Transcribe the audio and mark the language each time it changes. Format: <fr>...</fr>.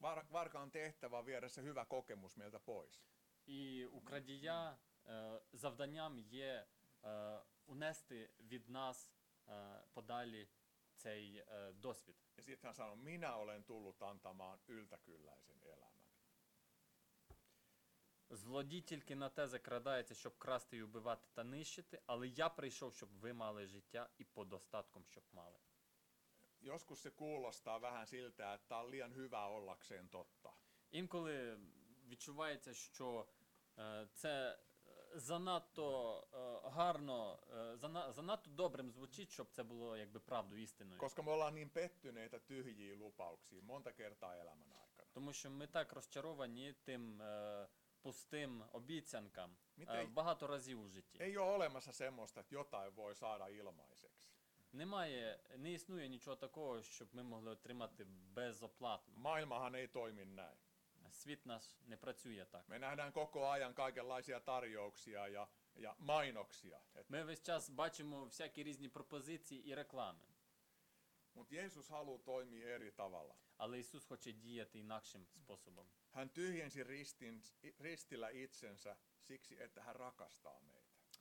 <fi>Варка on tehtävä viedä se hyvä kokemus meiltä pois.</fi> <uk>І у крадія завданням є унести від нас подалі цей досвід.</uk> <fi>Ja sitten hän sanoi, minä olen tullut antamaan yltäkylläisen elämän.</fi> <uk>Злодій тільки на те закрадається, щоб красти і убивати та нищити, але я прийшов, щоб ви мали життя і по достатком, щоб мали.</uk> <fi>Joskus se kuulostaa vähän siltä, että on liian hyvä ollakseen totta.</fi> <uk>Інколи відчувається, що це занадто гарно, занадто добрим звучить, щоб це було якби правдою, істиною.</uk> <fi>Koska me ollaan niin pettyneitä tyhjiin lupauksiin monta kertaa elämän aikana.</fi> <uk>Тому що ми так розчаровані тим пустим обіцянкам багато разів у житті.</uk> <fi>Ei ole olemassa semmoista, että jotain voi saada ilmaiseksi.</fi> <uk>Немає, не існує нічого такого, щоб ми могли отримати безоплатно.</uk> <fi>Maailmahan ei toimi näin.</fi> <uk>Світ нас не працює так.</uk> <fi>Me nähdään koko ajan kaikenlaisia tarjouksia ja mainoksia.</fi> <uk>Ми весь час бачимо всякі різні пропозиції і реклами.</uk> <fi>Mut Jeesus haluaa toimia eri tavalla.</fi> <uk>Але Ісус хоче діяти інакшим способом.</uk> <fi>Hän tyhjensi ristillä itsensä siksi, että hän rakastaa meitä.</fi>